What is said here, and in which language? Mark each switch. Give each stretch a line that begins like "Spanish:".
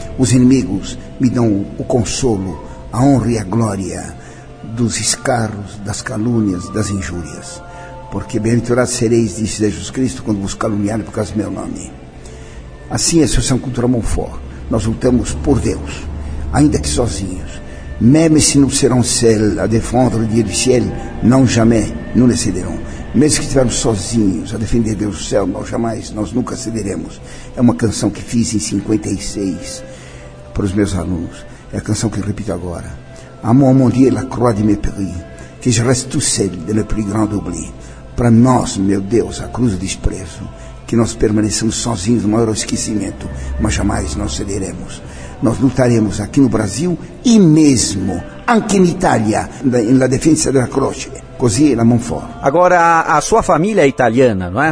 Portuguese: Os inimigos me dão o consolo, a honra e a glória dos escarros, das calúnias, das injúrias. Porque bem-aventurados sereis, disse Jesus Cristo, quando vos caluniarem por causa do meu nome. Assim é a Associação Cultural Monfort. Nós lutamos por Deus, ainda que sozinhos.
French: Même si nous serons seuls à défendre Dieu du ciel, non jamais nous ne céderons.
Portuguese: Mesmo que estivermos sozinhos a defender Deus do céu, nós jamais, nós nunca cederemos. É uma canção que fiz em 56 para os meus alunos. É a canção que eu repito agora.
French: Amour mon Dieu, la croix de mes péris, que je reste tout seul de le plus grand oubli.
Portuguese: Para nós, meu Deus, a cruz do desprezo, que nós permaneçamos sozinhos no maior esquecimento, mas jamais nós cederemos. Nós lutaremos aqui no Brasil e mesmo,
Italian: anche in Italia,
Portuguese: na defesa da croce.
Italian: Così la Monfort.
Portuguese: Agora, a sua família é italiana, não é?